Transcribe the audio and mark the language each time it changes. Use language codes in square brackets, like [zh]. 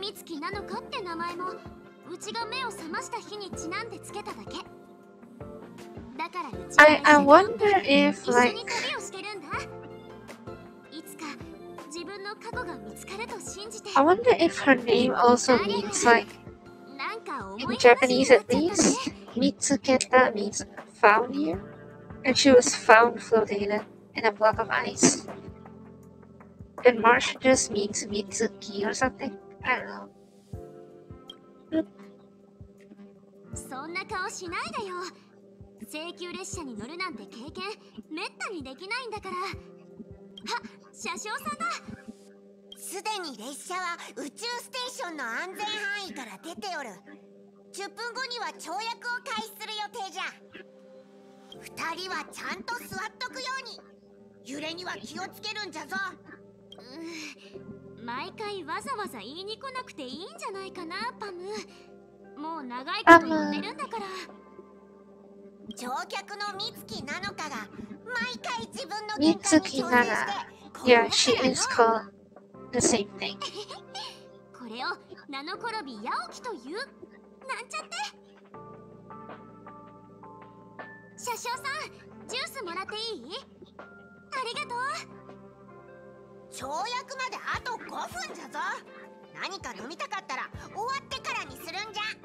[ja] 美月なのかって名前もうちが目を覚ました日にちなんでつけただけだから。うちは [en] I wonder if like [ja] をしてるんだ。いつか自分の過去が見つかると信じて。 [en] I wonder if her name also means like [ja] なんか思い [en] in Japanese at least 見つけた means found you and she was found floating inin a block of ice. And March just means Mitsuki or something. I don't know. [ja] そんな顔しないでよ。請求列車に乗るなんて経験めったにできないんだから。は、車掌さんだ。すでに列車は宇宙ステーションの安全範囲から出ておる。 10分後には跳躍を開始する予定じゃ。二人はちゃんと座っとくように。揺れには気をつけるんじゃぞ。うん、毎回わざわざ言いに来なくていいんじゃないかな、パム。もう長いこと言ってるんだから。乗客の美月なのかが毎回自分の美月なら、 [en] Yeah, she is called the same thing. [ja] これをナノコロビヤオキというなんちゃって。車掌さん、ジュースもらっていい？ありがとう。跳躍まであと5分じゃぞ。何か飲みたかったら終わってからにするんじゃ。